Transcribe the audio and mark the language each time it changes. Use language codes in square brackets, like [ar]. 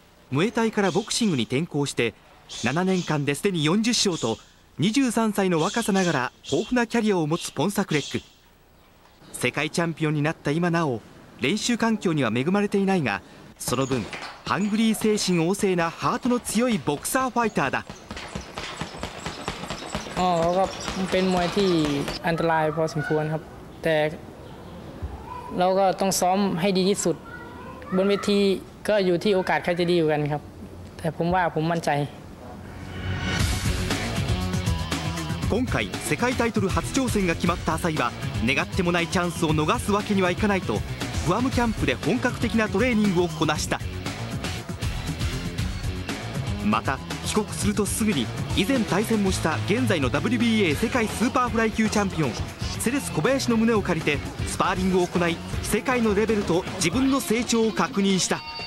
[ja] ムエタイからボクシングに転向して、7年間ですでに40勝と、23歳の若さながら豊富なキャリアを持つポンサクレック。世界チャンピオンになった今なお、練習環境には恵まれていないが、その分ハングリー精神旺盛なハートの強いボクサーファイターだ。 [th] เขาก็เป็นมวยที่อันตรายพอสมควรครับแต่เราก็ต้องซ้อมให้ดีที่สุดบนเวทีก็อยู่ที่โอกาสใครจะดีอยู่กันครับแต่ผมว่าผมมั่นใจ [ja] 今回世界タイトル初挑戦が決まった浅井は、願ってもないチャンスを逃すわけにはいかないと、グアムキャンプで本格的なトレーニングをこなした。また帰国するとすぐに以前対戦もした現在の WBA 世界スーパーフライ級チャンピオン、セレス小林の胸を借りてスパーリングを行い、世界のレベルと自分の成長を確認した。